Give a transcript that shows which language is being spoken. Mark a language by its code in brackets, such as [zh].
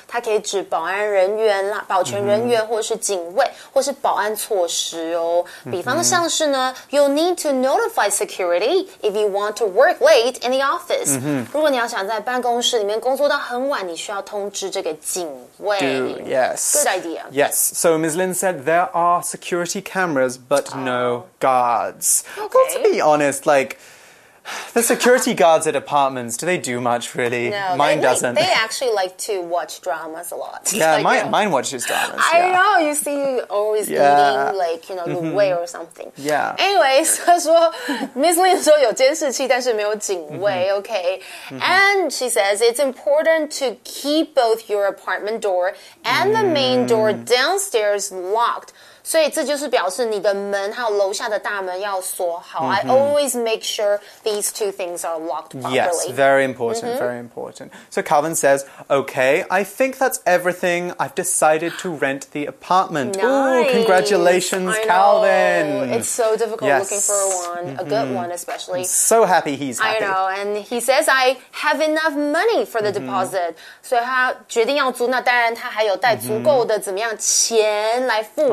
[zh] 它可以指保安人员啦，保全人员或是警卫，或是保安措施哦。比方像是呢， [en] you'll need to notify security if you want to work late in the office. [zh] 如果你要想在办公室里面工作到很你需要通知这个警卫 [en] Do, yes. Good idea. Yes. So Ms. Lin said there are security cameras, but no guards. Okay. Well, to be honest, like, the security guards at apartments, do they do much, really? No. Mine doesn't. They actually like to watch dramas a lot. Yeah, like, mine watches dramas. I know. You see you always eating, like, you know, your way or something. Yeah. [zh] Anyways, 她说, Ms. Lin 说有监视器但是没有警卫, okay? [en] And she says, it's important to keep both your apartment door and the main door downstairs locked. [zh] 所以这就是表示你的门还有楼下的大门要锁好。 [en] I always make sure these two things are locked properly. Yes, very important, very important. So Calvin says, okay, I think that's everything. I've decided to rent the apartment. Nice. Ooh, congratulations, Calvin. It's so difficult looking for one, a good one especially. I'm so happy he's happy. I know, and he says, I have enough money for the deposit. [zh] 所以他决定要租那当然他还有带足够的怎么样钱来付。